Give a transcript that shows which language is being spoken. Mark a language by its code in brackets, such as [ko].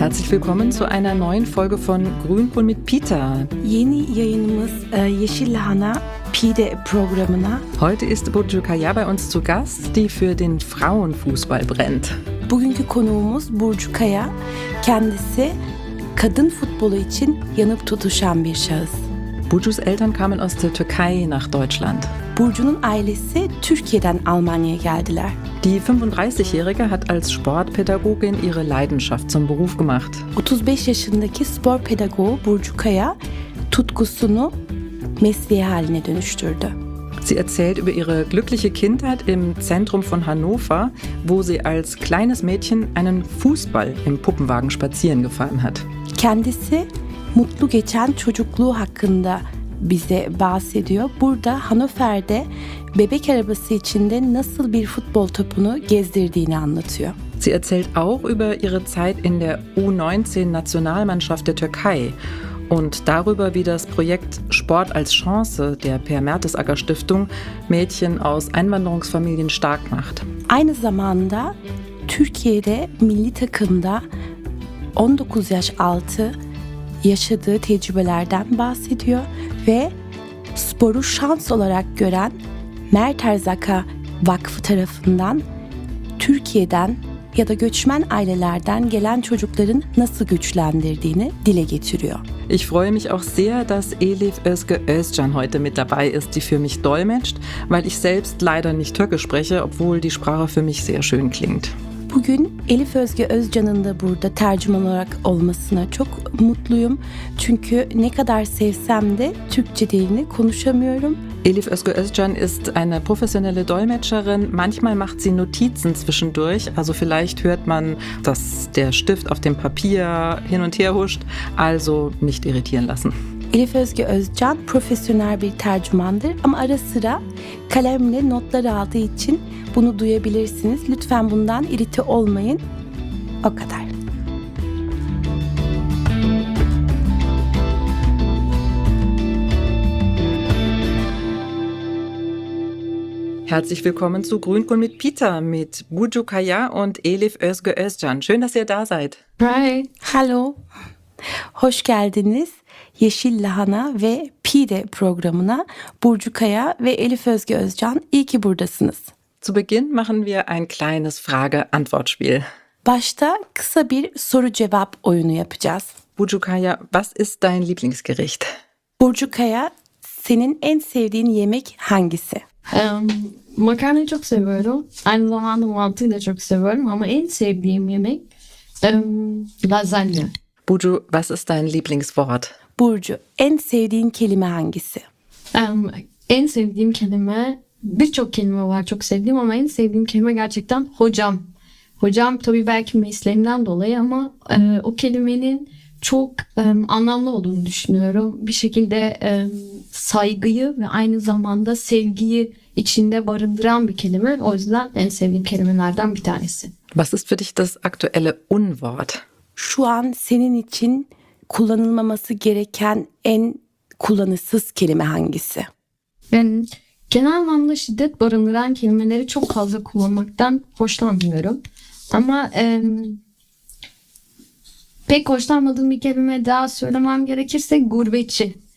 [de] willkommen zu einer neuen Folge von Grünkohl mit Peter. [tr] Yeni yayınımız Yeşilhane Pide programına. [de] Heute ist Burcu Kaya bei uns zu Gast, die für den Frauenfußball brennt. [tr] Bugünkü konuğumuz Burcu Kaya, kendisi kadın futbolu için yanıp tutuşan bir şahıs. [de] Burcu's Eltern kamen aus der Türkei nach Deutschland. [tr] Burcu'nun ailesi Türkiye'den Almanya'ya geldiler. [de] Die 35-Jährige hat als Sportpädagogin ihre Leidenschaft zum Beruf gemacht. [tr] 35 yaşındaki spor pedagoğu Burcu Kaya tutkusunu mesleği haline dönüştürdü. [de] Sie erzählt über ihre glückliche Kindheit im Zentrum von Hannover, wo sie als kleines Mädchen einen Fußball im Puppenwagen spazieren gefahren hat. [tr] Kendisi mutlu geçen çocukluğu hakkında bize bahsediyor. Burada Hannover'de bebek arabası içinde nasıl bir futbol topunu gezdirdiğini anlatıyor. [de] Sie erzählt auch über ihre Zeit in der U19 Nationalmannschaft der Türkei und darüber, wie das Projekt Sport als Chance der Per Mertesacker Stiftung Mädchen aus Einwanderungsfamilien stark macht. [tr] Aynı zamanda Türkiye'de milli takımda 19 yaş altı yaşadığı tecrübelerden bahsediyor ve sporu şans olarak gören Mert Erzak'a Vakfı tarafından Türkiye'den ya da göçmen ailelerden gelen çocukların nasıl güçlendirdiğini dile getiriyor. [de] Ich freue mich auch sehr, dass Elif Özge Özcan heute mit dabei ist, die für mich dolmetscht, weil ich selbst leider nicht Türkisch spreche, obwohl die Sprache für mich sehr schön klingt. [tr] Bugün Elif Özge Özcan'ın da burada tercüman olarak olmasına çok mutluyum. Çünkü ne kadar sevsem de Türkçe dilini konuşamıyorum. [de] Elif Özge Özcan ist eine professionelle Dolmetscherin. Manchmal macht sie Notizen zwischendurch. Also vielleicht hört man, dass der Stift auf dem Papier hin und her huscht. Also nicht irritieren lassen. [tr] Elif Özge Özcan profesyonel bir tercümandır ama ara sıra kalemle notlar aldığı için bunu duyabilirsiniz. Lütfen bundan irite olmayın. O kadar. [de] Herzlich willkommen zu Grünkohl mit Peter, mit Burcu Kaya und Elif Özge Özcan. Schön, dass ihr da seid. Hi. Hallo. [tr] Hoş geldiniz. Yeşil Lahana ve Pide programına Burcu Kaya ve Elif Özge Özcan, iyi ki buradasınız. [de] Zu Beginn machen wir ein kleines Frage-Antwort-Spiel. [tr] Başta kısa bir soru-cevap oyunu yapacağız. [de] Burcu Kaya, was ist dein Lieblingsgericht? [tr] Burcu Kaya, senin en sevdiğin yemek hangisi? Makarnayı çok seviyorum. Aynı zamanda mantıyı da çok seviyorum ama en sevdiğim yemek lazanya. [de] Burcu, was ist dein Lieblingswort? [tr] Burcu, en sevdiğin kelime hangisi? En sevdiğim kelime, birçok kelime var çok sevdiğim ama en sevdiğim kelime gerçekten hocam. Hocam tabii belki mesleğimden dolayı ama o kelimenin çok anlamlı olduğunu düşünüyorum. Bir şekilde saygıyı ve aynı zamanda sevgiyi içinde barındıran bir kelime. O yüzden en sevdiğim kelimelerden bir tanesi. [de] Was ist für dich das aktuelle Unwort? [tr] Şu an senin için kullanılmaması gereken en kullanışsız kelime hangisi? Yani genel anlamda şiddet barındıran kelimeleri çok fazla kullanmaktan hoşlanmıyorum. Ama pek hoşlanmadığım bir kelime daha söylemem gerekirse gurbetçi.